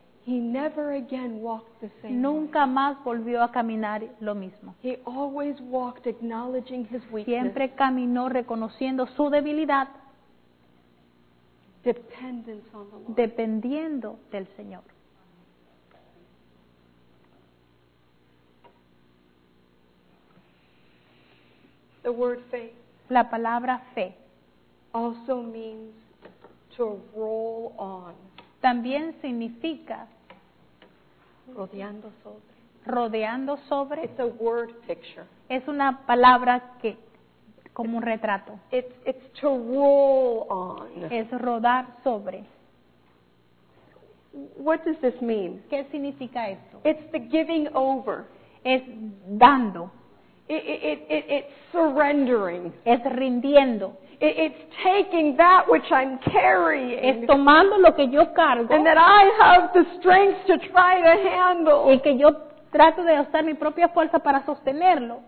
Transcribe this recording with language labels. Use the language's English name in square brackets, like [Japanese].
[English] he never again walked the same [Spanish] nunca [English] way. [Spanish] Más volvió a caminar lo mismo. [English] He always walked acknowledging his weakness, [Spanish] siempre caminó reconociendo su debilidad, [English] dependence on the Lord, [Spanish] dependiendo del Señor. [English] The word faith. [Spanish] La palabra fe. [English] Also means to roll on. [Spanish] También significa rodeando sobre. Rodeando sobre. [English] It's a word picture. [Spanish] Es una palabra que como un retrato. [English] It's to roll on. [Spanish] Es rodar sobre. [English] What does this mean? [Spanish] ¿Qué significa esto? [English] It's the giving over. [Spanish] Es dando. [English] It's surrendering. [Spanish] Es rindiendo. [English] It's taking that which I'm carrying. [Spanish] Es tomando lo que yo cargo. [English] And that I have the strength to try to handle. [Spanish] Y que yo trato de usar mi propia fuerza para sostenerlo.